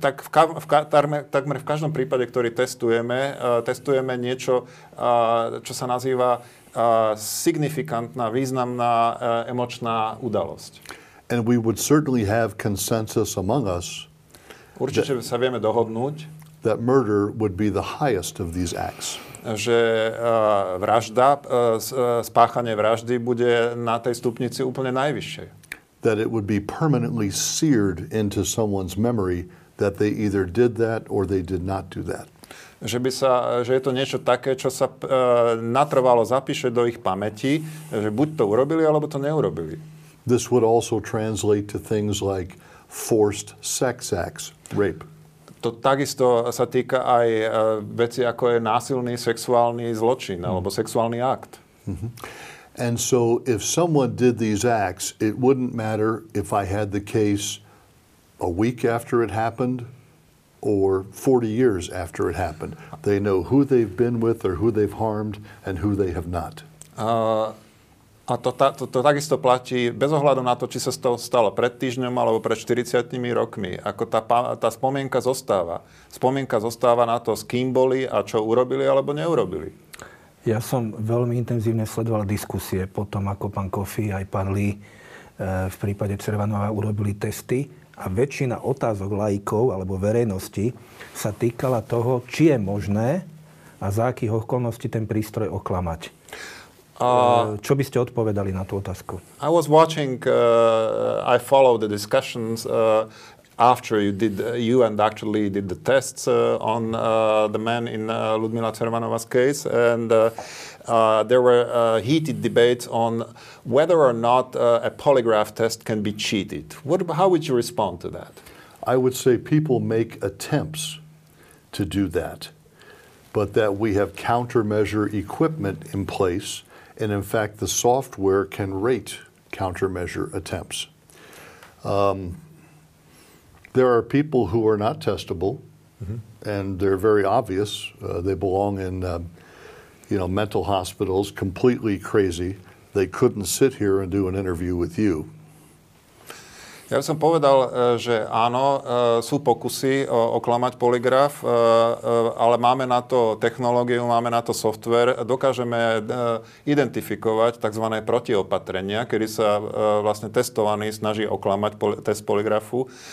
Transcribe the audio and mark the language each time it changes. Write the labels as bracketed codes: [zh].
[sk] Takmer v každom prípade, ktorý testujeme, testujeme niečo, čo sa nazýva signifikantná, významná emočná udalosť. [en] And we would certainly have consensus among us. [sk] Určite sa vieme dohodnúť. [en] That murder would be the highest of these acts. [sk] Že vražda, spáchanie vraždy bude na tej stupnici úplne najvyššie. [en] That it would be permanently seared into someone's memory that they either did that or they did not do that. [sk] Že by sa, že je to niečo také, čo sa natrvalo zapíše do ich pamäti, že buď to urobili, alebo to neurobili. [en] This would also translate to things like forced sex acts, rape. [sk] To takisto sa týka aj veci, ako je násilný sexuálny zločin, mm-hmm. alebo sexuálny akt. Mm-hmm. [en] And so if someone did these acts, it wouldn't matter if I had the case a week after it happened or 40 years after it happened. They know who they've been with or who they've harmed and who they have not. [sk] A to takisto platí bez ohľadu na to, či sa to stalo pred týždňom alebo pred 40 rokmi. Ako tá spomienka zostáva. Spomienka zostáva na to, s kým boli a čo urobili alebo neurobili. Ja som veľmi intenzívne sledoval diskusie po tom, ako pán Kofi aj pán Lee v prípade Červanova urobili testy. A väčšina otázok laikov alebo verejnosti sa týkala toho, či je možné a za akých okolností ten prístroj oklamať. Čo by ste odpovedali na tú otázku? [en] I was watching, I followed the discussions after you and Dr. Lee did the tests on the man in Ludmila Cervanova's case. And there were heated debates on whether or not a polygraph test can be cheated. How would you respond to that? I would say people make attempts to do that, but that we have countermeasure equipment in place. And in fact, the software can rate countermeasure attempts. There are people who are not testable, mm-hmm. and they're very obvious. They belong in mental hospitals, completely crazy. They couldn't sit here and do an interview with you. [sk] Ja som povedal, že áno, sú pokusy oklamať polygraf, ale máme na to technológiu, máme na to software. Dokážeme identifikovať tzv. Protiopatrenia, kedy sa vlastne testovaný snaží oklamať test polygrafu.